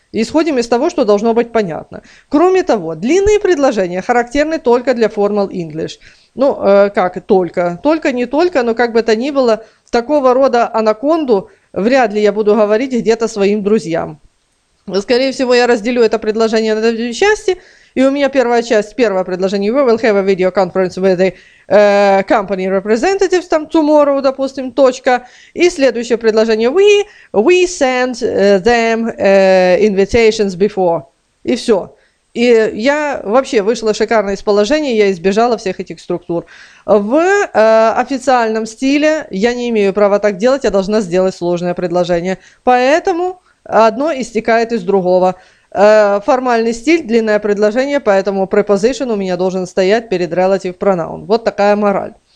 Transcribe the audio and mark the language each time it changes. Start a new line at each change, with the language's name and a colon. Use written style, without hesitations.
Russian: Исходим из того, что должно быть понятно. Кроме того, длинные предложения характерны только для formal English. Ну, как только. Только, не только, но как бы то ни было, такого рода анаконду вряд ли я буду говорить где-то своим друзьям. Скорее всего, я разделю это предложение на две части. И у меня первая часть, первое предложение.
English: We will have a video conference with the company representatives
Russian: там
English: tomorrow,
Russian: допустим, точка. И следующее предложение.
English: We sent them invitations before.
Russian: И все. И я вообще вышла шикарно из положения, я избежала всех этих структур. В официальном стиле я не имею права так делать, я должна сделать сложное предложение. Поэтому одно истекает из другого. Формальный стиль, длинное предложение, поэтому preposition у меня должен стоять перед relative pronoun. Вот такая мораль.